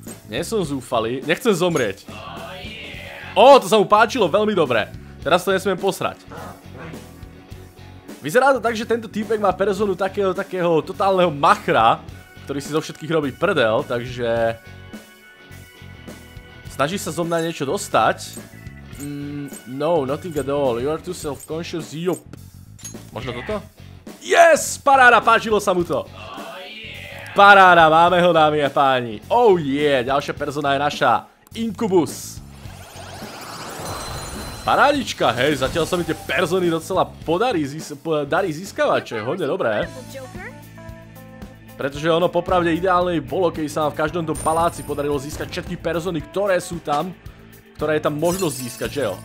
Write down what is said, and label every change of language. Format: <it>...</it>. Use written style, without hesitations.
<sk>Nie som zúfalý, nechcem zomrieť. Ó, to sa mu páčilo, veľmi dobre. Teraz to nesmiem posrať. Vyzerá to tak, že tento týpek má personu takého totálneho machra, ktorý si zo všetkých robí prdel, takže... Snaží sa zo mňa niečo dostať?</sk> <en>No, nothing at all, you are too self-conscious, yup.</en> <sk>Možno toto? Yes, paráda, páčilo sa mu to. Paráda, máme ho, dámy a páni.</sk> <en>Oh yeah,</en> <sk>ďalšia persona je naša. Incubus. Parádička, hej, zatiaľ sa mi tie persony docela podarí darí získavať, čo je hodne dobré. Pretože ono popravde ideálne bolo, keby sa v každom tom paláci podarilo získať všetky persony, ktoré sú tam, ktoré je tam možnosť získať, že jo.</sk>